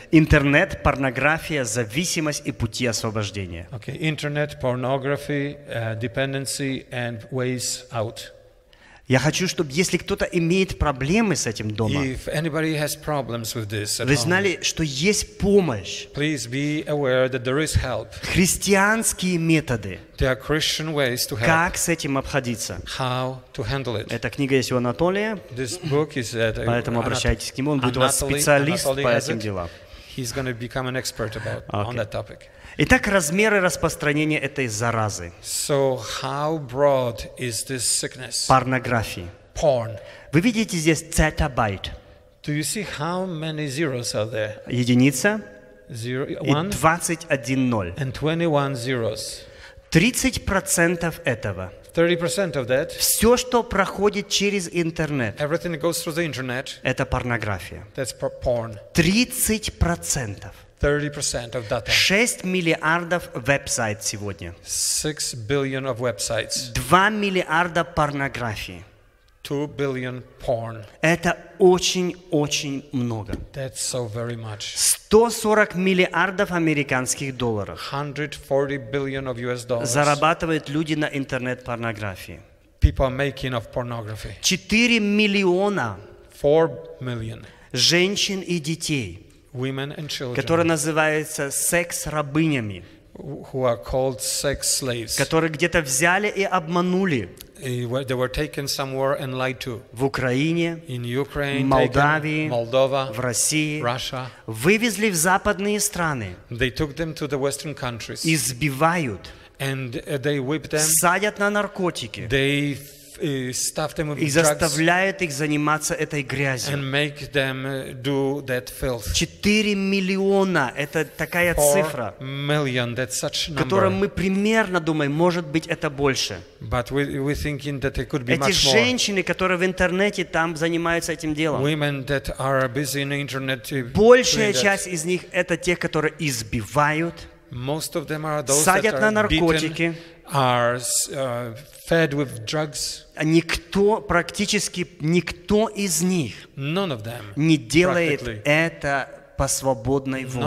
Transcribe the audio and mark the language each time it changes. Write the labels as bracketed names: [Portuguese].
[Russian] Интернет, порнография, зависимость и пути освобождения. [English] Okay. Internet, pornography, dependency and ways out. [Russian] Я хочу, чтобы если кто-то имеет проблемы с этим дома, [English] if anybody has problems with this at [Russian] вы знали, [English] home, [Russian] что есть помощь. [English] Please be aware that there is help. [Russian] Христианские методы. [English] There are Christian ways to help. [Russian] Как с этим обходиться? [English] How to handle it. [Russian] Эта книга есть у Анатолия. [English] This book is at [Russian] поэтому обращайтесь к нему, он будет у вас специалист по этим делам. [English] He's going to become an expert about on that topic. [Russian] Итак, размеры распространения этой заразы. [English] So how broad is this sickness? [Russian] Порнографии. [English] Porn. [Russian] Вы видите здесь цетабайт? [English] Do you see how many zeros are there? [Russian] Единица. [English] Zero, one, [Russian] и 21 ноль. [English] And 21 zeros. [Russian] 30% этого. [English] 30% of that. [Russian] Все, что проходит через интернет. [English] Everything that goes through the internet. [Russian] Это порнография. [English] That's porn. [Russian] 30%. [English] 30% of data. [Russian] 6 миллиардов веб-сайтов сегодня. [English] 6 billion of websites. [Russian] 2 миллиарда порнографии. [English] 2 billion porn. [Russian] Это очень-очень много. [English] That's so very much. [Russian] 140 миллиардов американских долларов. [English] 140 billion of US dollars. [Russian] Зарабатывают люди на интернет-порнографии. [English] People are making of pornography. [Russian] 4 миллиона. [English] 4 million. [Russian] Женщин и детей. [English] Women and children, [Russian] которые называются секс-рабынями, [English] who are called sex slaves, [Russian] которые где-то взяли и обманули, [English] they were taken somewhere and lied to, [Russian] в Украине, [English] in Ukraine, [Russian] Молдавии, [English] taken, Moldova, [Russian] в России, [English] Russia, [Russian] вывезли в западные страны, [English] they took them to the Western countries, [Russian] избивают, [English] and they whip them, [Russian] садят на наркотики, [English] they [Russian] и [English] stuff them with [Russian] и заставляет их заниматься этой грязью. [English] And make them do that filth. [Russian] 4 миллиона — это такая цифра, [English] million, that's such number, [Russian] которым мы примерно думаем, может быть, это больше. [English] But we thinking that it could be [Russian] эти [English] much [Russian] женщины, [English] more, [Russian] которые в интернете там занимаются этим делом, [English] women that are busy in internet, [Russian] большая часть из них — это те, которые избивают, [English] most of them are those, [Russian] садят [English] that are [Russian] на наркотики, [English] fed with drugs. [Russian] Никто, практически никто из них, [English] none of them, [Russian] не делает это по свободной воле.